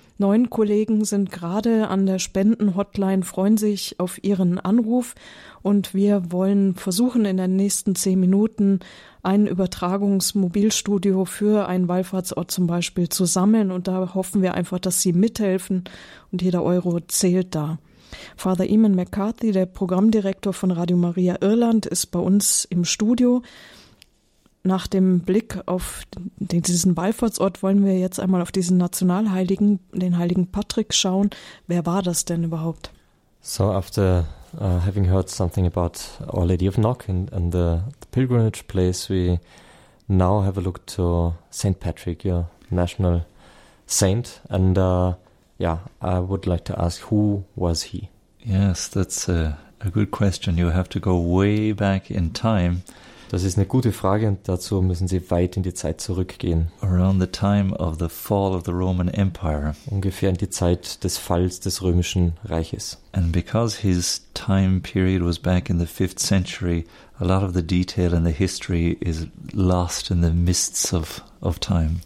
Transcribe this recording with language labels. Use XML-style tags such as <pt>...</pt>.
<de>Neun Kollegen sind gerade an der Spendenhotline, freuen sich auf Ihren Anruf und wir wollen versuchen, in den nächsten 10 Minuten ein Übertragungsmobilstudio für einen Wallfahrtsort zum Beispiel zu sammeln und da hoffen wir einfach, dass Sie mithelfen und jeder Euro zählt da. Father Eamon McCarthy, der Programmdirektor von Radio Maria Irland, ist bei uns im Studio. Nach dem Blick auf diesen Wallfahrtsort wollen wir jetzt einmal auf diesen Nationalheiligen, den heiligen Patrick, schauen. Wer war das denn überhaupt?</de> <en>So after having heard something about Our Lady of Nock and the pilgrimage place, we now have a look to St. Patrick, your national saint. And I would like to ask, who was he? Yes, that's a good question. You have to go way back in time.</en> <de>Das ist eine gute Frage und dazu müssen Sie weit in die Zeit zurückgehen.</de> <en>Around the time of the fall of the Roman Empire.</en> <de>Ungefähr in die Zeit des Falls des Römischen Reiches.</de> <en>And because his time period was back in the 5th century, a lot of the detail in the history is lost in the mists of time.</en>